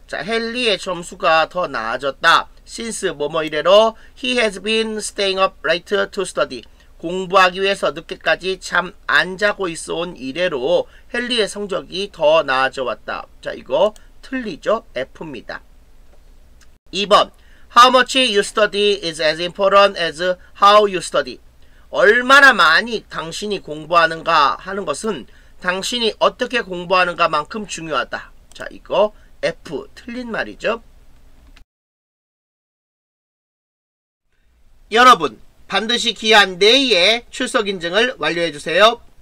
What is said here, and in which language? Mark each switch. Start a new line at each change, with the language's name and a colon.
Korean: 자, 헨리의 점수가 더 나아졌다.
English: Since
Korean: 뭐뭐 이래로
English: he has been staying up late to study.
Korean: 공부하기 위해서 늦게까지 잠 안 자고 있어 온 이래로 헨리의 성적이 더 나아져 왔다. 자, 이거 틀리죠? F입니다. 2번.
English: How much you study is as important as how you study.
Korean: 얼마나 많이 당신이 공부하는가 하는 것은 당신이 어떻게 공부하는가만큼 중요하다. 자, 이거 F, 틀린 말이죠. 여러분, 반드시 기한 내에 출석 인증을 완료해 주세요.